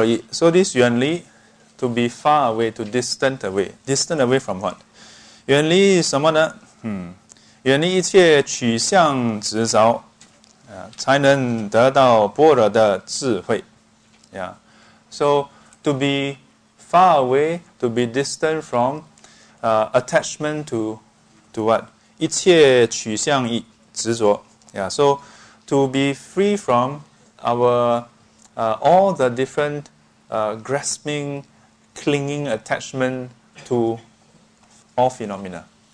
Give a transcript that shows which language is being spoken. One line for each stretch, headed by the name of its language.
English: So this 远离, to be far away, to distant away. Distant away from what?
Chinese: 远离什么呢? 远离一切取向执着, 才能得到般若的智慧.
English: Yeah. So to be far away, to be distant from attachment to what?
Chinese: 一切取向意执着.
English: Yeah. So to be free from all the different grasping, clinging, attachment to all phenomena.